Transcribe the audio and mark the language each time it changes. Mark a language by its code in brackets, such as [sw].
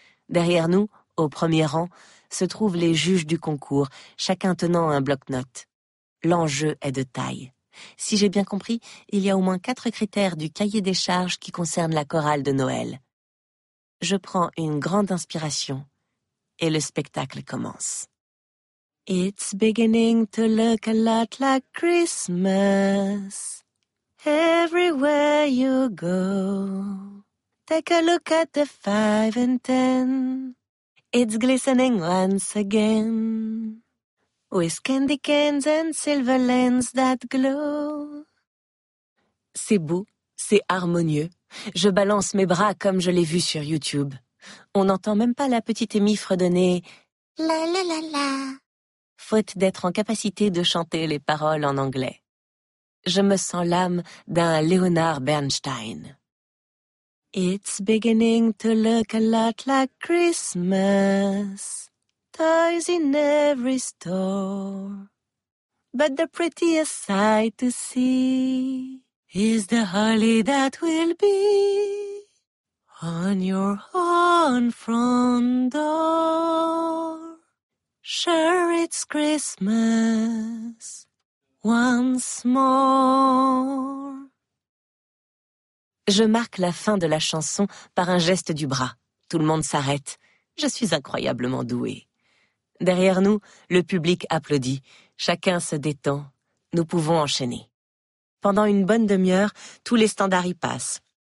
[fr] Derrière nous, au premier rang, se trouvent les juges du concours, chacun tenant un bloc-notes. L'enjeu est de taille. Si j'ai bien compris, il y a au moins 4 critères du cahier des charges qui concernent la chorale de Noël. Je prends une grande inspiration et le spectacle commence. [en] It's beginning to look a lot like Christmas. Everywhere you go, take a look at the 5 and 10. It's glistening once again with candy canes and silver lanes that glow. [fr] C'est beau, c'est harmonieux. Je balance mes bras comme je l'ai vu sur YouTube. On n'entend même pas la petite Amy fredonner « la la la la » faute d'être en capacité de chanter les paroles en anglais. Je me sens l'âme d'un Leonard Bernstein. [en] It's beginning to look a lot like Christmas. Toys in every store. But the prettiest sight to see is the holly that will be on your own front door. Sure, it's Christmas once more. [fr] Je marque la fin de la chanson par un geste du bras. Tout le monde s'arrête. Je suis incroyablement douée. Derrière nous, le public applaudit. Chacun se détend. Nous pouvons enchaîner. Pendant une bonne demi-heure, tous les standards y passent.